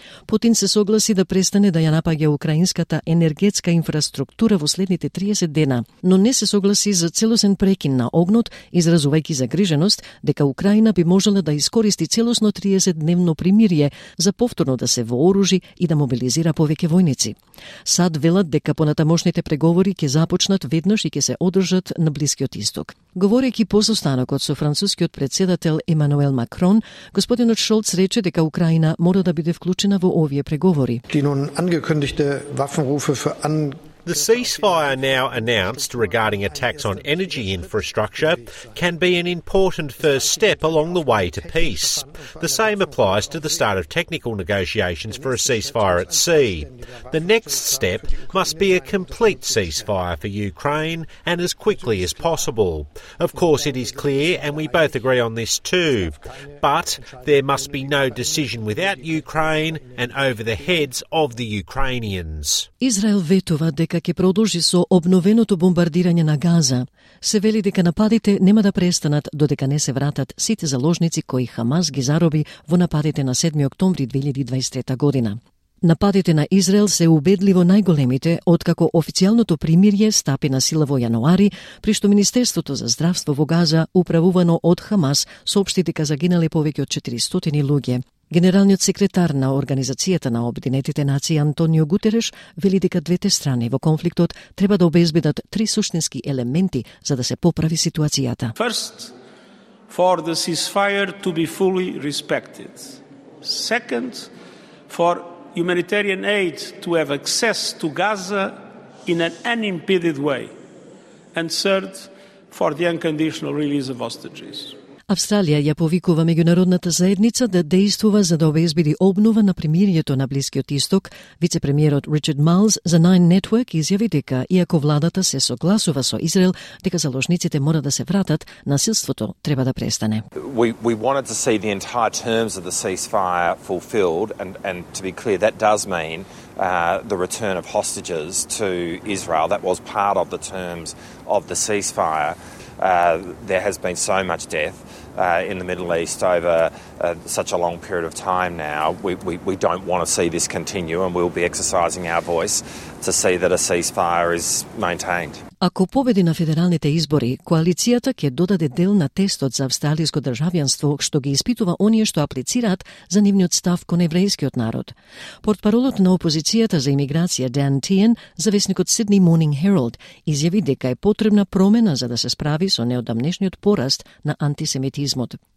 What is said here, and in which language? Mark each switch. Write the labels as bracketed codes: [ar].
[mk] Путин се согласи да престане да ја напаѓа украинската енергетска инфраструктура во следните 30 дена, но не се согласи за целосен прекин на огнот, изразувајќи загриженост дека Украина би можела да искористи целосно 30-дневно примирие за повторно да се вооружи и да мобилизира повеќе војници. Сад велат дека понатамошните преговори ќе започнат веднаш и ќе се одржат на блиски од исток. Говорејќи по состанокот со францускиот председател Емануел Макрон, господинот Шолц рече дека Украина мора да биде вклучена во овие преговори. [en] The ceasefire now announced regarding attacks on energy infrastructure can be an important first step along the way to peace. The same applies to the start of technical negotiations for a ceasefire at sea. The next step must be a complete ceasefire for Ukraine and as quickly as possible. Of course, it is clear, and we both agree on this too, but there must be no decision without Ukraine and over the heads of the Ukrainians. [mk] Израел ветува дека ќе продолжи со обновеното бомбардирање на Газа. Се вели дека нападите нема да престанат додека не се вратат сите заложници кои Хамас ги зароби во нападите на 7 октомври 2023 година. Нападите на Израел се убедливо најголемите откако официјалното примирие стапи на сила во јануари, при што Министерството за здравство во Газа, управувано од Хамас, соопшти дека загинале повеќе од 400 луѓе. Генералниот секретар на Организацијата на Обединетите нации Антонио Гутереш вели дека двете страни во конфликтот треба да обезбедат три суштински елементи за да се поправи ситуацијата. [en] First, for the ceasefire to be fully respected. Second, for humanitarian aid to have access to Gaza in an unimpeded way. And third, for the unconditional release of hostages. [mk] Австралија ја повикува меѓународната заедница да дејствува за да обезбеди обнова на примирието на Блискиот исток. Вице-премиерот Ричард Малз за Nine Network изјави дека иако владата се согласува со Израел дека заложниците мора да се вратат, насилството треба да престане. [en] We wanted to see the entire terms of the ceasefire fulfilled and to be clear that does mean the return of hostages to Israel. That was part of the terms of the ceasefire. There has been so much death in the Middle East over such a long period of time now. We don't want to see this continue and we'll be exercising our voice to see that a ceasefire is maintained. [mk] Ако победи на федералните избори, коалицијата ќе додаде дел на тестот за австралијско државјанство што ги испитува оние што аплицираат за нивниот став кон еврејскиот народ. Портпаролот на опозицијата за имиграција Дан Тиен, завесникот Сидни Морнинг Хералд, изјави дека е потребна промена за да се справи со неодамнешниот пораст на антисемитизмот.